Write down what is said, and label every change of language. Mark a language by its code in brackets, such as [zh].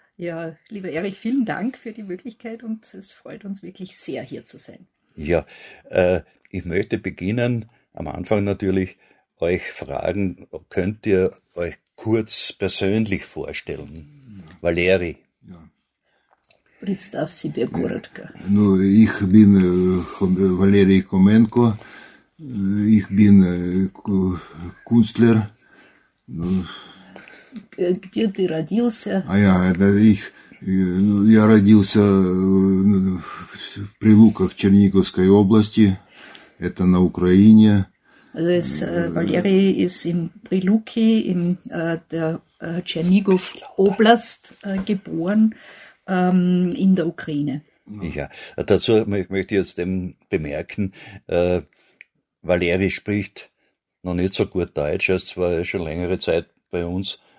[de] Ja, lieber Erich, vielen Dank für die Möglichkeit und es freut uns wirklich sehr, hier zu sein. Ja, ich möchte beginnen, am Anfang natürlich, euch fragen, könnt ihr euch kurz persönlich vorstellen? Ja. Valeri. Ja. [ru] Представь себе коротко. [de] Ну, ich bin Valeri Komenko. Ich bin Künstler. [ru] Где ты родился? А я, да, ich, я родился в Прилуках Черниговской области. Это на Украине. [de] Also es, Valeri ist in Priluki, in der Tscherniguf-Oblast geboren, in der Ukraine. Ja, dazu möchte ich jetzt eben bemerken, Valeri spricht noch nicht so gut Deutsch, er ist zwar schon längere Zeit bei uns,